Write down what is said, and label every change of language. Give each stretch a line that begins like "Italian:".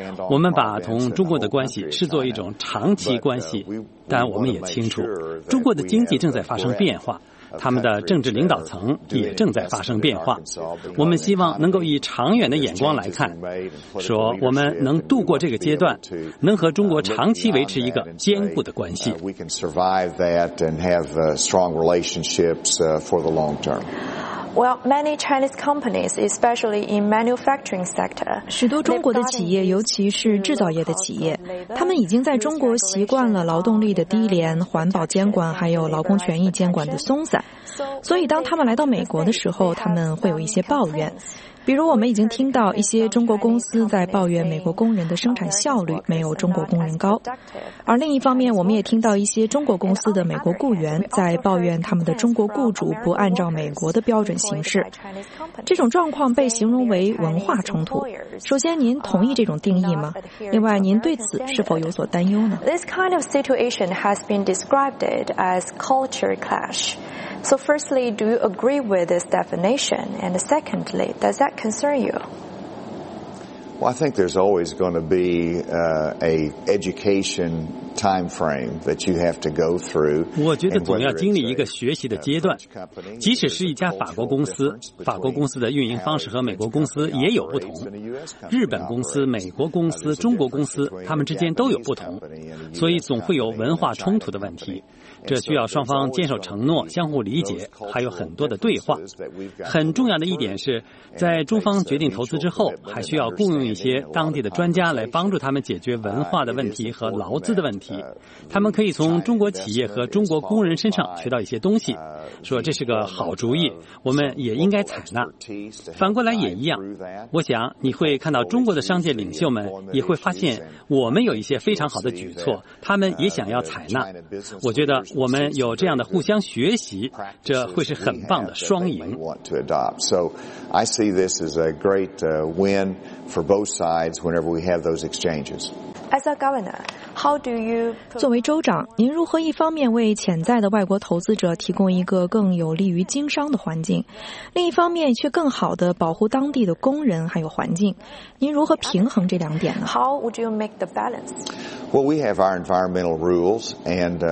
Chinese: 我们把同中国的关系视作一种长期关系，但我们也清楚中国的经济正在发生变化，他们的政治领导层也正在发生变化。我们希望能够以长远的眼光来看，说我们能度过这个阶段，能和中国长期维持一个坚固的关系。
English: We can survive that and have strong relationships for the long term. Well, many Chinese companies, especially in manufacturing sector,
Chinese: 许多中国的企业，尤其是制造业的企业，他们已经在中国习惯了劳动力的低廉、环保监管还有劳工权益监管的松散，所以当他们来到美国的时候，他们会有一些抱怨。比如我们已经听到一些中国公司在抱怨美国工人的生产效率没有中国工人高，而另一方面我们也听到一些中国公司的美国雇员在抱怨他们的中国雇主不按照美国的标准行事。这种状况被形容为文化冲突。首先，您同意这种定义吗？另外，您对此是否有所担忧呢？
English: This kind of situation has been described as culture clash. So firstly, do you agree with this definition? And secondly, does that concern you? Well, I think there's always going to be a education time frame that you have to go through.
Chinese: 我觉得总要经历一个学习的阶段。即使是一家法国公司，法国公司的运营方式和美国公司也有不同。日本公司、美国公司、中国公司，他们之间都有不同，所以总会有文化冲突的问题。这需要双方坚守承诺，相互理解，还有很多的对话。很重要的一点是，在中方决定投资之后，还需要雇佣一些当地的专家来帮助他们解决文化的问题和劳资的问题。他们可以从中国企业和中国工人身上学到一些东西，说这是个好主意，我们也应该采纳。反过来也一样，我想你会看到中国的商界领袖们也会发现我们有一些非常好的举措，他们也想要采纳。我觉得我们有这样的互相学习，这会是很棒的双赢。
English: So I see this as a great win for both sides whenever we have those exchanges. As a governor, how do you
Chinese: 作为州长，您如何一方面为潜在的外国投资者提供一个更有利于经商的环境，另一方面却更好地保护当地的工人还有环境？您如何平衡这两点呢？
English: How would you make the balance? Well, we have our environmental rules, and